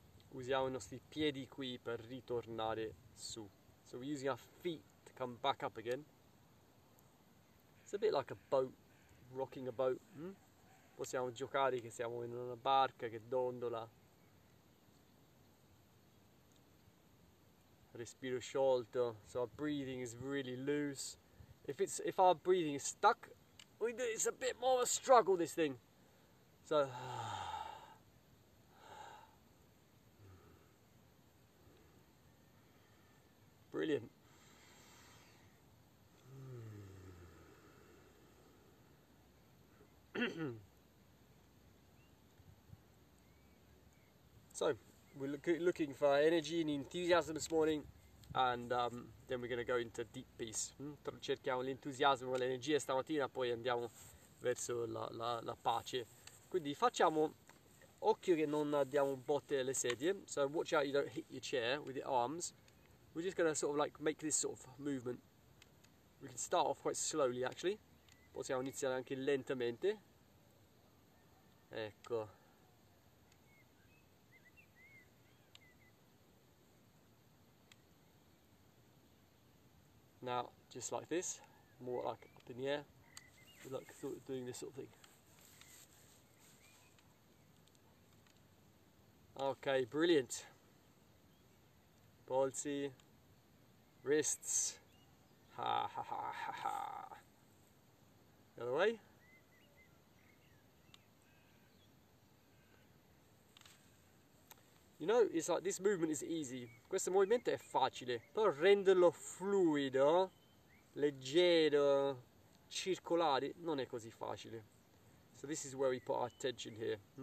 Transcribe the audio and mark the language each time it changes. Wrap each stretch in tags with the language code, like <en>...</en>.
<it>Usiamo i nostri piedi qui per ritornare su.</it> <en>So we're using our feet to come back up again. It's a bit like a boat, rocking a boat.</en> <it>Possiamo giocare che siamo in una barca che dondola. Respiro sciolto.</it> <en>So our breathing is really loose. If our breathing is stuck, it's a bit more of a struggle, this thing. So brilliant. So, we're looking for energy and enthusiasm this morning, and then we're going to go into deep peace.</en> <it>Cerchiamo l'entusiasmo e l'energia stamattina, poi andiamo verso la pace. Quindi facciamo occhio che non diamo botte alle sedie.</it> <en>So watch out you don't hit your chair with your arms. We're just going to sort of like make this sort of movement. We can start off quite slowly actually.</en> <it>Possiamo iniziare anche lentamente. Ecco.</it> <en>Now, just like this, more like up in the air, we're like sort of doing this sort of thing. Okay, brilliant. Balti, wrists. Ha ha ha ha ha. The other way. You know, it's like this movement is easy.</en> <it>Questo movimento è facile. Però renderlo fluido, leggero, circolare, non è così facile.</it> <en>So this is where we put our attention here.</en>